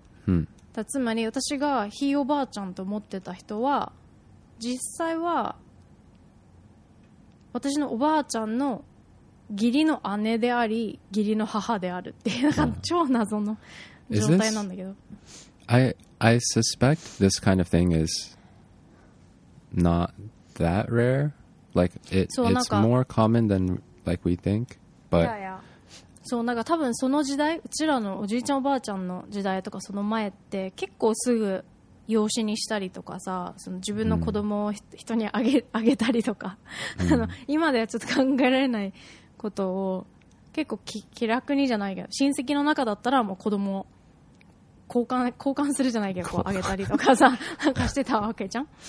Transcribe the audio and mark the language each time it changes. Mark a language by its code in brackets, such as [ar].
[ja] うん、だつまり私がひいおばあちゃんと思ってた人は実際は私のおばあちゃんの義理の姉であり義理の母であるっていう、なんか超謎の状態なんだけど、 [en] I suspect this kind of thing is not that rare, like it's more common than like we think, but yeah, yeah. [ja] そう、なんか多分その時代、うちらのおじいちゃんおばあちゃんの時代とかその前って結構すぐ養子にしたりとかさ、その自分の子供を人にあげたりとか、あの今ではちょっと考えられないことを結構気楽にじゃないけど、親戚の中だったらもう子供を交換するじゃないけど、こうあげたりとかさ、なんかしてたわけじゃん。